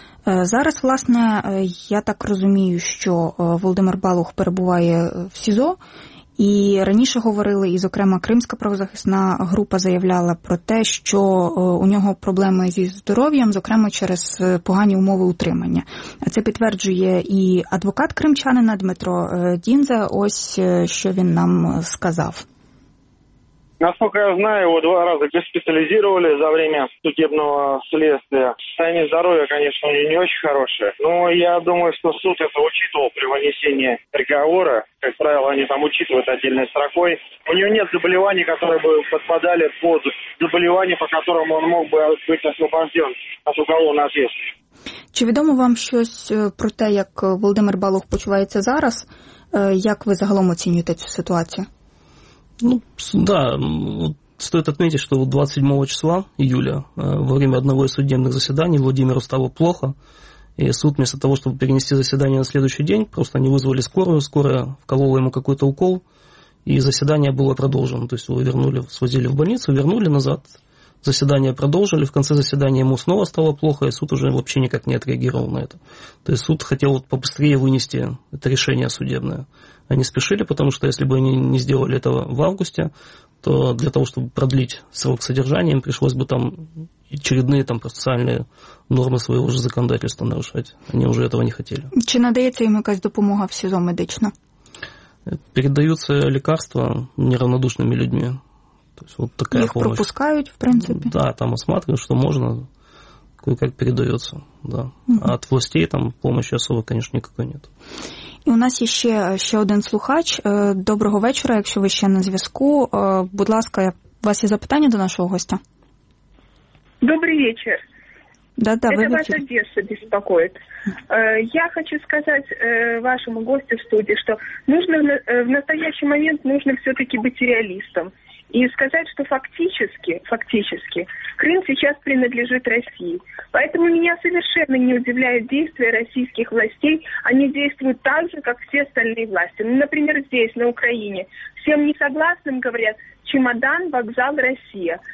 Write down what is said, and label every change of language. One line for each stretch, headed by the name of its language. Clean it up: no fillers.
Ukrainian: Зараз, власне, я так розумію, що Володимир Балух перебуває в СІЗО, і раніше говорили, і, зокрема, Кримська правозахисна група заявляла про те, що у нього проблеми зі здоров'ям, зокрема, через погані умови утримання. Це підтверджує і адвокат кримчанина Дмитро Дінзе, ось що він нам сказав.
Russian: Насколько я знаю, его два раза госпитализировали за время судебного следствия. Состояние здоровья, конечно, у него не очень хорошее. Но я думаю, что суд это учитывал при вынесении приговора. Как правило, они там учитывают отдельной строкой. У него нет заболеваний, которые бы подпадали под заболевания, по которым он мог бы быть освобожден от уголовного ответственности.
Ukrainian: Чи відомо вам щось про те, як Володимир Балух почувається зараз? Як ви загалом оцінюєте цю ситуацію?
Russian: Ну, да, стоит отметить, что 27 числа июля во время одного из судебных заседаний Владимиру стало плохо, и суд вместо того, чтобы перенести заседание на следующий день, просто они вызвали скорую, скорая вколола ему какой-то укол, и заседание было продолжено, то есть его вернули, свозили в больницу, вернули назад, заседание продолжили, в конце заседания ему снова стало плохо, и суд уже вообще никак не отреагировал на это. То есть суд хотел вот побыстрее вынести это решение судебное. Они спешили, потому что если бы они не сделали этого в августе, то для того, чтобы продлить срок содержания, им пришлось бы там очередные там процессуальные нормы своего же законодательства нарушать. Они уже этого не хотели.
Ukrainian: Чи надається їм якась допомога в СІЗО медична?
Russian: Передаются лекарства неравнодушными людьми. То есть вот такая помощь. Их пропускают, в принципе? Да, там осматривают, что можно, кое-как передается. Да. Угу. А от властей там помощи особо, конечно, никакой нет.
Ukrainian: І у нас є ще один слухач. Доброго вечора, якщо ви ще на зв'язку. Будь ласка, у вас є запитання до нашого гостя? Добрий вечір.
Russian: Да,
Ukrainian: ви вечір. Це вас Одеса беспокоїть. Я хочу сказати вашому гостю в студії, що
Russian: нужно в настоящий момент нужно все-таки
Ukrainian: бути реалістом.
Russian: И сказать, что фактически Крым сейчас принадлежит России. Поэтому меня совершенно не удивляют действия российских властей. Они действуют так же, как все остальные власти. Ну, например, здесь, на Украине. Всем несогласным говорят, чемодан, вокзал, Россия.